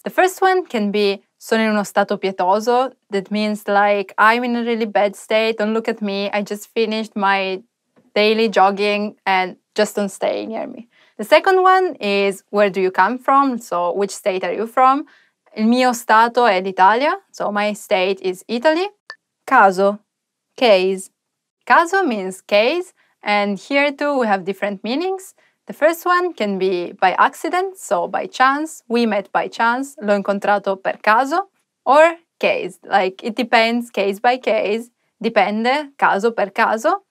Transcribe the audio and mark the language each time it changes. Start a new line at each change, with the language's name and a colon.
English: The first one can be
Italian: sono in uno stato pietoso,
English: that means like I'm in a really bad state, don't look at me, I just finished my daily jogging and just don't stay near me. The second one is where do you come from, so which state are you from?
Italian: Il mio stato è l'Italia,
English: so my state is Italy.
Italian: Caso, case.
English: Caso means case, and here too we have different meanings. The first one can be by accident, so by chance, we met by chance,
Italian: l'ho incontrato per caso,
English: or case, like it depends, case by case,
Italian: dipende, caso per caso.